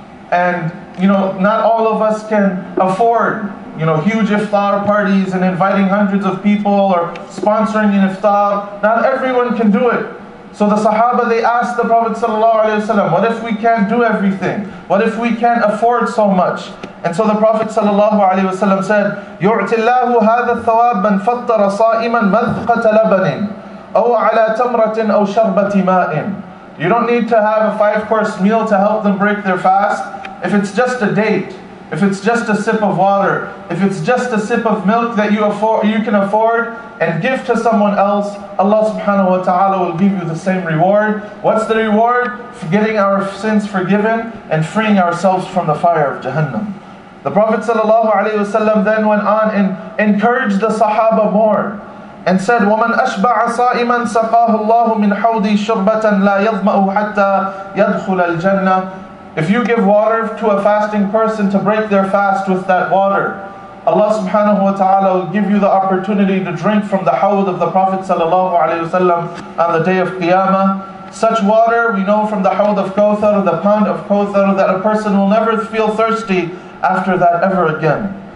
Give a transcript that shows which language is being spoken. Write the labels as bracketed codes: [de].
[en] And, you know, not all of us can afford, you know, huge iftar parties and inviting hundreds of people or sponsoring an iftar. Not everyone can do it. So the Sahaba, they asked the Prophet sallallahu alaihi wasallam, what if we can't do everything? What if we can't afford so much? And so the Prophet sallallahu alaihi wasallam said, [ar] يُعْتِ اللَّهُ هَذَا الثَّوَابَ مَنْ فَطَّرَ صَائِمًا مَذْقَةَ لَبَنٍ أَوْ عَلَى تَمْرَةٍ أَوْ شَرْبَةِ مَاءٍ. [en] You don't need to have a 5-course meal to help them break their fast. If it's just a date, if it's just a sip of water, if it's just a sip of milk that you can afford and give to someone else, Allah subhanahu wa ta'ala will give you the same reward. What's the reward? For getting our sins forgiven and freeing ourselves from the fire of Jahannam. The Prophet sallallahu alayhi wa sallam then went on and encouraged the Sahaba more. And said, [ar] وَمَنْ أَشْبَعَ صَائِمًا سَقَاهُ اللَّهُ مِنْ حَوْضِي شُرْبَةً لَا يَضْمَأُ حَتَّى يَدْخُلَ الْجَنَّةِ. [en] If you give water to a fasting person to break their fast with that water, Allah subhanahu wa ta'ala will give you the opportunity to drink from the hawd of the Prophet sallallahu alayhi wa sallam on the day of Qiyamah. Such water, we know from the hawd of Kawthar, the pond of Kawthar, that a person will never feel thirsty after that ever again.